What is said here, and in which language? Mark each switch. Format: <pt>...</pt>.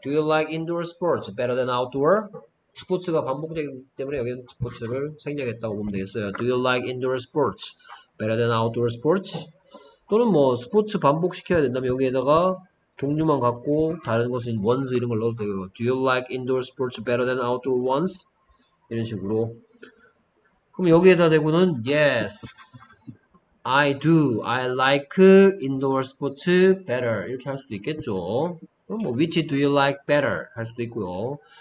<en>Do you like indoor sports better than outdoor?</en> <ko>스포츠가 반복되기 때문에 여기는 스포츠를 생략했다고 보면 되겠어요.</ko> <en>Do you like indoor sports better than outdoor sports?</en> <ko>또는 뭐 스포츠 반복시켜야 된다면 여기에다가 종류만 갖고 다른 것은 once 이런 걸 넣어도 돼요.</ko> <en>Do you like indoor sports better than outdoor ones?</en> <ko>이런 식으로 그럼 여기에다 대고는</ko> <en>yes I do I like indoor sports better</en> <ko>이렇게 할 수도 있겠죠. 그럼 뭐</ko> <en>which do you like better</en> <ko>할 수도 있고요.</ko>